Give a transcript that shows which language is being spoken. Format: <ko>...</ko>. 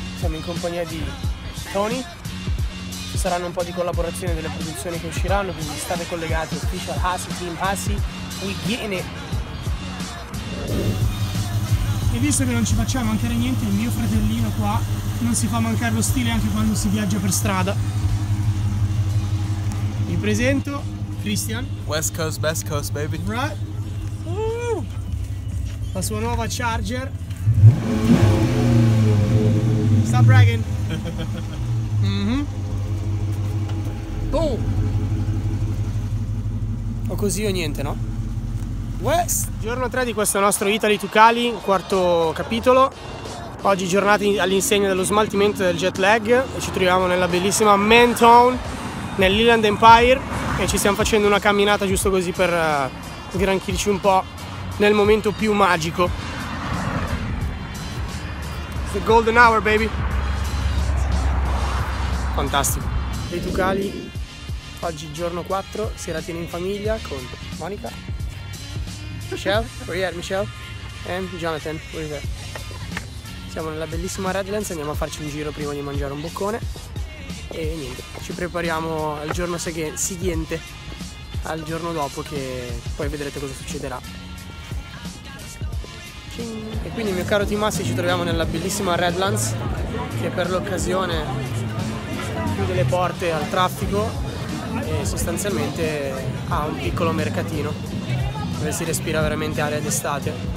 <it>Siamo in compagnia di Tony. Ci saranno un po' di collaborazioni delle produzioni che usciranno, quindi state collegati.</it> <en>Official Hassi, Team Hassi, we getting it.</en> <it>E visto che non ci facciamo mancare niente, il mio fratellino qua non si fa mancare lo stile anche quando si viaggia per strada. Mi presento, Christian.</it> <en>West Coast, Best Coast, baby. Right.</en> <it>La sua nuova Charger.</it> <en>Stop bragging. Boom.</en> <it>O così o niente, no? West. Giorno 3 di questo nostro Italy to Cali, quarto capitolo. Oggi giornata all'insegna dello smaltimento del jet lag. Ci troviamo nella bellissima Man Town, nell'Inland Empire. E ci stiamo facendo una camminata giusto così per sgranchirci un po' nel momento più magico.</it> <en>It's the golden hour, baby.</en> <it>Fantastico. Italy to Cali, oggi giorno 4, sera tiene in famiglia con Monica.</it> <en>Michelle and Jonathan, we're here.</en> <it>Siamo nella bellissima Redlands, andiamo a farci un giro prima di mangiare un boccone e niente, ci prepariamo al giorno seguente, al giorno dopo, che poi vedrete cosa succederà. E quindi, mio caro Timassi, ci troviamo nella bellissima Redlands, che per l'occasione chiude le porte al traffico e sostanzialmente ha un piccolo mercatino dove si respira veramente aria d'estate.</it>